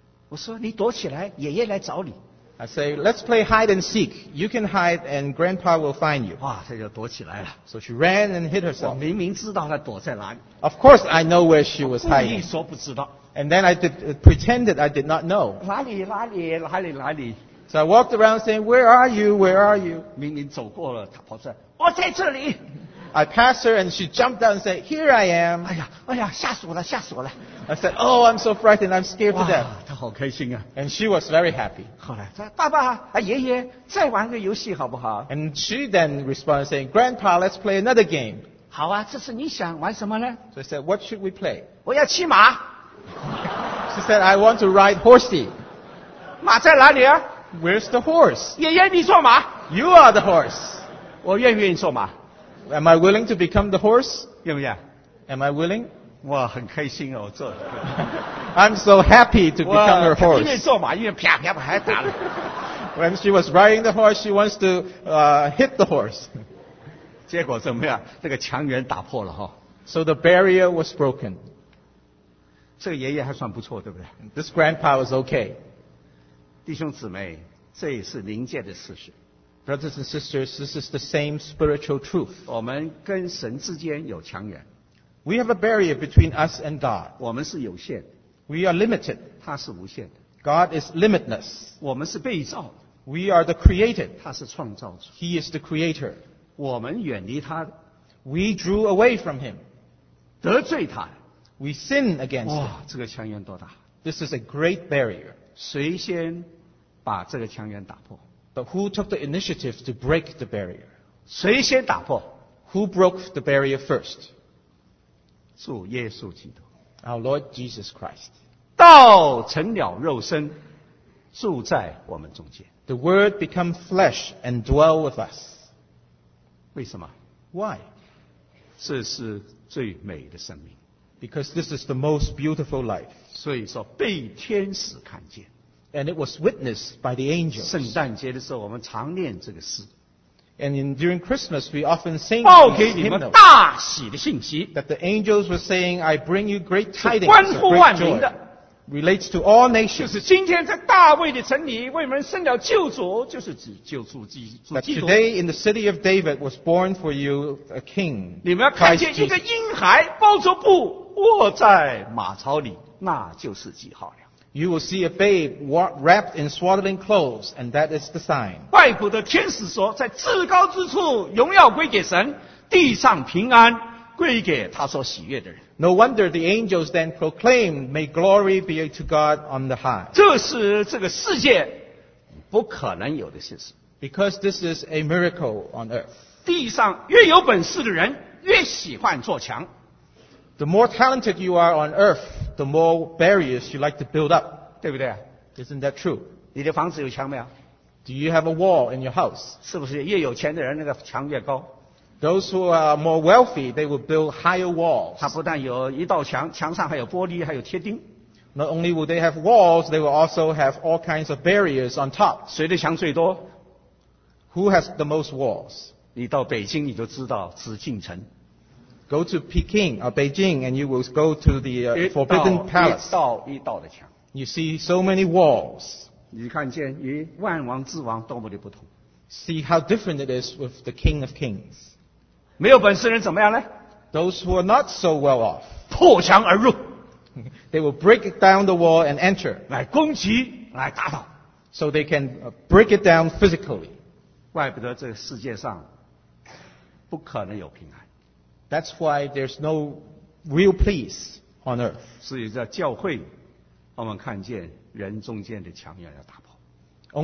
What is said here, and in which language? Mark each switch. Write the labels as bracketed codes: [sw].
[zh] 我说你躲起来，爷爷来找你。 [en] I say, "Let's play hide and seek. You can hide, and Grandpa will find you." [zh] 哇，她就躲起来了。 [en] So she ran and hid herself. [zh] 我明明知道她躲在哪里。 [en] Of course, I know where she was hiding. [zh] 故意说不知道。 [en] And then I did, pretended I did not know. [zh] 哪里哪里哪里哪里 [en] So I walked around saying, "Where are you? Where are you?" [zh] 明明走过了，她跑出来，我在这里。 [en] I passed her and she jumped down and said, "Here I am." [zh] 哎呀，哎呀，吓死我了，吓死我了。 [en] I said, "Oh, I'm so frightened. I'm scared to death." [zh] 哇，她好开心啊。 [en] And she was very happy. [zh] 后来说，爸爸啊，爷爷，再玩个游戏好不好 [en] ？And she then responded saying, "Grandpa, let's play another game." [zh] 好啊，这是你想玩什么呢 [en] ？So I said, "What should we play?" [zh] 我要骑马。 [en] She said, "I want to ride horsey." [zh] 马在哪里啊 [en] ？Where's the horse? [zh] 爷爷，你坐马。 [en] You are the horse. [zh] 我愿不愿意坐马 [en] ？Am I willing to become the horse? [zh] 愿不愿 [en] ？Am I willing? [zh] 哇，很开心哦，坐。 [en] I'm so happy to become her horse. [zh] 因为坐马，因为啪啪啪还打了。 [en] When she was riding the horse, she wants to hit the horse. [zh] 结果怎么样？这个墙垣打破了哈。 [en] So the barrier was broken. [zh] 这个爷爷还算不错，对不对 [en] ？This grandpa was okay. [zh] 弟兄姊妹，这也是灵界的事实。 [en] Brothers and sisters, this is the same spiritual truth. [zh] 我们跟神之间有墙垣。 [en] We have a barrier between us and God. [zh] 我们是有限。 [en] We are limited. [zh] 他是无限的。 [en] God is limitless. [zh] 我们是被造。 [en] We are the created. [zh] 他是创造主。 [en] He is the creator. [zh] 我们远离他。 [en] We drew away from him. [zh] 得罪他。 [en] We sin against him. [zh] 哇，这个墙垣多大。 [en] This is a great barrier. [zh] 谁先把这个墙垣打破？ [en] But who took the initiative to break the barrier? [zh] 谁先打破？ [en] Who broke the barrier first? [zh] 主耶稣基督。 [en] Our Lord Jesus Christ. [zh] 道成了肉身，住在我们中间。 [en] The word become flesh and dwell with us. [zh] 为什么？ [en] Why? [zh] 这是最美的生命。 [en] Because this is the most beautiful life. [zh] 所以说被天使看见。 [en] And it was witnessed by the angels. [zh] 圣诞节的时候我们常念这个诗。 [en] And in, during Christmas, we often sing these hymnals that the angels were saying, I bring you great tidings of great joy. Relates to all nations. [zh] 就是今天在大卫的城里为我们生了救主，就是指救主基督。 [en] That today in the city of David was born for you a king. [zh] 你们要看见一个婴孩包着布卧在马槽里，那就是记号了。 [en] You will see a babe wrapped in swaddling clothes, and that is the sign. [zh] 外邦的天使说，在至高之处荣耀归给神，地上平安归给他所喜悦的人。 [en] No wonder the angels then proclaimed, may glory be to God on the high. [zh] 这是这个世界不可能有的事实。 [en] Because this is a miracle on earth. [zh] 地上越有本事的人越喜欢做墙。 [en] The more talented you are on earth, the more barriers you like to build up. [zh] 对不对？ [en] Isn't that true? [zh] 你的房子有墙没有？ [en] Do you have a wall in your house? [zh] 是不是越有钱的人那个墙越高？ [en] Those who are more wealthy, they will build higher walls. [zh] 它不但有一道墙，墙上还有玻璃，还有贴钉。 [en] Not only will they have walls, they will also have all kinds of barriers on top. [zh] 谁的墙最多？ [en] Who has the most walls? [zh] 你到北京你就知道紫禁城。 [en] Go to Peking or Beijing, and you will go to the Forbidden Palace. [zh] 一道一道的墙。 [en] You see so many walls. [zh] 你看见与万王之王多么的不同。 [en] See how different it is with the King of Kings. [zh] 没有本事人怎么样呢？ [en] Those who are not so well off, [zh] 破墙而入。 [en] They will break down the wall and enter. [zh] 来攻击，来打倒。 [en] So they can break it down physically. [zh] 怪不得这个世界上不可能有平安。 [en] That's why there's no real peace on earth. [zh] 所以在教会，我们看见人中间的墙要打破。